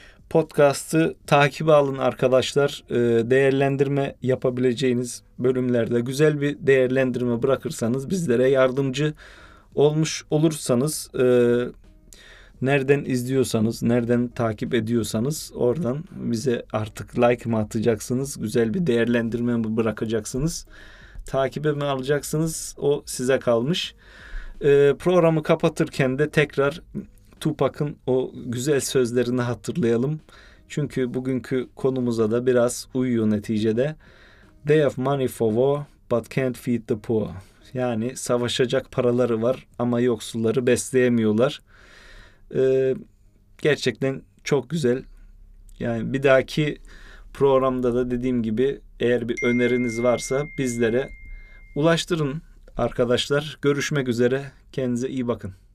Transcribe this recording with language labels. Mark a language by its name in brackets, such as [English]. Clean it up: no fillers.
[Turkish] Podcast'ı takibe alın arkadaşlar. Değerlendirme yapabileceğiniz bölümlerde güzel bir değerlendirme bırakırsanız, bizlere yardımcı olmuş olursanız, nereden izliyorsanız, nereden takip ediyorsanız, oradan bize artık like mı atacaksınız, güzel bir değerlendirme mi bırakacaksınız, takibe mi alacaksınız, o size kalmış. Programı kapatırken de tekrar Tupac'ın o güzel sözlerini hatırlayalım. Çünkü bugünkü konumuza da biraz uyuyor neticede. [English] They have money for war but can't feed the poor. [Turkish] Yani savaşacak paraları var ama yoksulları besleyemiyorlar. Gerçekten çok güzel. Yani bir dahaki programda da dediğim gibi, eğer bir öneriniz varsa bizlere ulaştırın arkadaşlar. Görüşmek üzere. Kendinize iyi bakın.